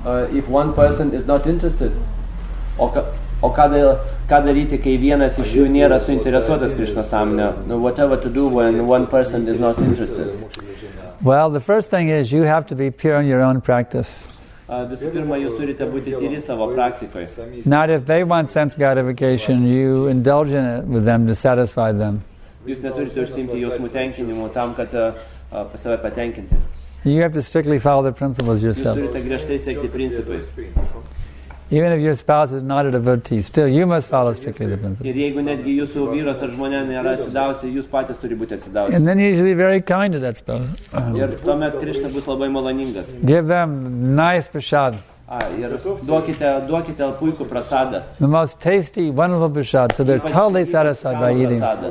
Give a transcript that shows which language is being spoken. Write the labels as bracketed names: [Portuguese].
[English] If one person is not interested, [Lithuanian] o ką daryti, kai vienas iš jų nėra suinteresuotas Krishna samne? [English] Whatever to do when one person is not interested. Well, the first thing is you have to be pure in your own practice. [Lithuanian] Visų pirma, jūs turite būti tyri savo praktikoje. [English] Not if they want sense gratification, you indulge in it with them to satisfy them. [Lithuanian] Jūs neturite užsiimti jausmų tenkinimu tam, kad pas save patenkinti. [English] You have to strictly follow the principles yourself. [Lithuanian] Jūs turite griežtai sekti principais. [English] Even if your spouse is not a devotee, still you must follow strictly the principles. [Lithuanian] Ir jeigu netgi jūsų vyras ar žmonė nėra atsidavusi, jūs patys turi būti atsidavusi. [English] And then you should be very kind to that spouse. [Lithuanian] Ir tuomet Krishna bus labai maloningas. [English] Give them nice prasad. [Lithuanian] Ir duokite puikų prasadą. [English] The most tasty, wonderful prasad, so they're totally satisfied by eating.